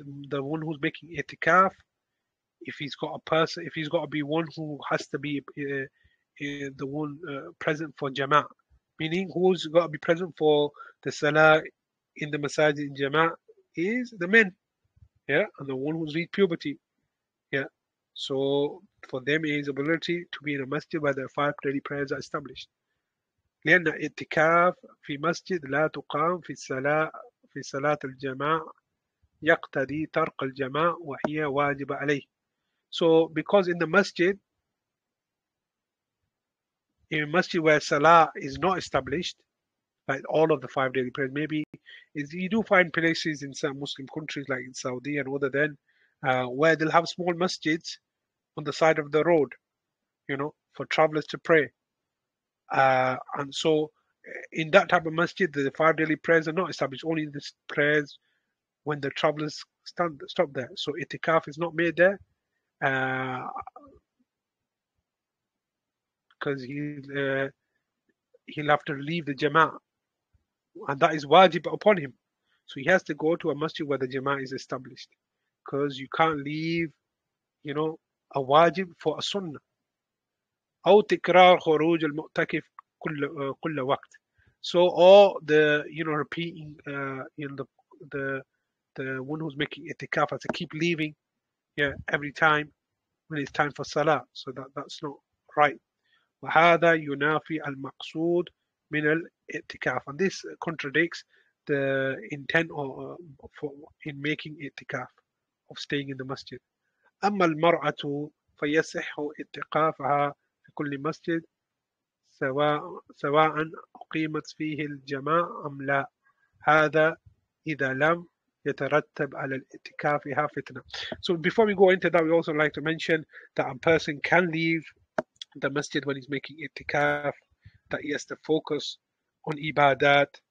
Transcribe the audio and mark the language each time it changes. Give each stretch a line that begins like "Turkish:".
English: the one who's making itikaf, if he's got to be one who has to be the one present for jama'ah, meaning who's got to be present for the salah in the masajid in jama'ah is the men, yeah, and the one who's reached puberty, yeah. So for them, it is obligatory to be in a masjid where the five daily prayers are established.
Arabic: لأن اعتكاف في مسجد لا تقام في الصلاة في صلاة الجماعة يقتضي ترك الجماعة وهي واجبة عليه.
English: So because in a masjid where Salah is not established, like all of the five daily prayers, maybe is you do find places in some Muslim countries like in Saudi and other than where they'll have small masjids on the side of the road, you know, for travelers to pray. And so in that type of masjid, the five daily prayers are not established, only the prayers when the travelers stop there. So itikaf is not made there. Because he'll have to leave the jama'ah, and that is wajib upon him. So he has to go to a masjid where the jama'ah is established, because you can't leave, you know, a wajib for a sunnah.
Arabic: أو تكرار خروج المعتكف كل وقت.
English: So all the, you know, repeating in the one who's making itikaf has to keep leaving, yeah, every time when it's time for salah. So that's not right.
Arabic: وهذا ينافي المقصود من الاعتكاف.
English: And this contradicts the intent of, for, in making اعتكاف, of staying in the masjid.
Arabic: أما المرأة فيصح اعتكافها في كل مسجد سواء أقيمت فيه الجماعة أم لا. هذا إذا لم يترتب على اعتكافها فتنة.
English: So before we go into that, we also like to mention that a person can leave the masjid when he's making itikaf, that he has to focus on ibadat.